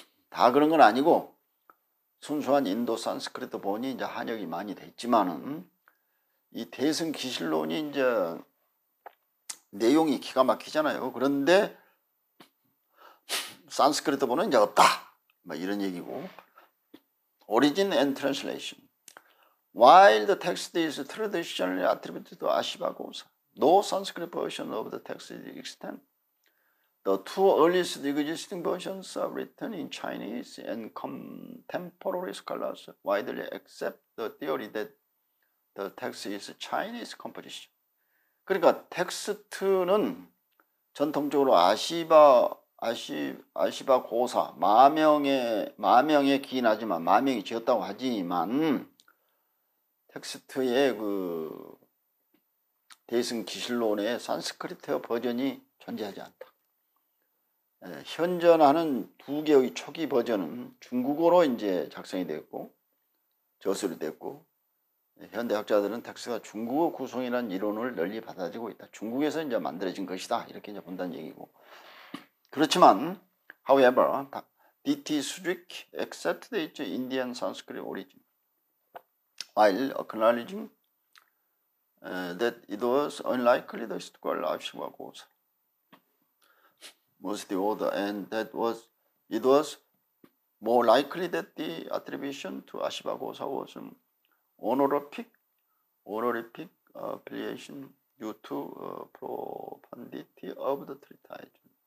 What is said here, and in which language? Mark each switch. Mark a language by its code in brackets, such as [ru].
[ko] 다 그런 건 아니고 순수한 인도 산스크리트 본이 이제 한역이 많이 됐지만은 이 대승 기실론이 이제 내용이 기가 막히잖아요. 그런데 산스크리트 본은 이제 없다. 뭐 이런 얘기고. Origin and translation. [en] While the text is traditionally attributed to Ashvaghosa, no Sanskrit version of the text is extant. The two earliest existing versions are written in Chinese and contemporary scholars widely accept the theory that the text is Chinese composition. [ko] 그러니까 텍스트는 전통적으로 아시바고사 마명에 기인하지만 마명이 지었다고 하지만 텍스트의 그 대승 기실론의 산스크리트어 버전이 존재하지 않다. 예, 현존하는 두 개의 초기 버전은 중국어로 이제 작성이 되었고 저술이 되었고 현대학자들은 텍스트가 중국어 구성이라는 이론을 널리 받아들이고 있다. 중국에서 이제 만들어진 것이다. 이렇게 이제 본다는 얘기고. 그렇지만, however, D.T. [en] Sujik accepted its Indian Sanskrit origin while acknowledging that it was unlikely the historical Ashvaghosa was the author and that was, it was more likely that the attribution to Ashvaghosa was an honorific affiliation due to profundity of the treatise.